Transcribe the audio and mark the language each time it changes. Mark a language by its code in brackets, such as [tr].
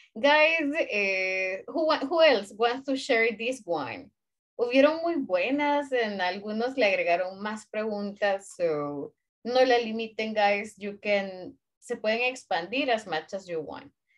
[en] Guys, who else wants to share this one? [es] Hubieron muy buenas, en algunos le agregaron más preguntas, so no la limiten, guys. [en] You can, [es] se pueden expandir [en] as much as you want.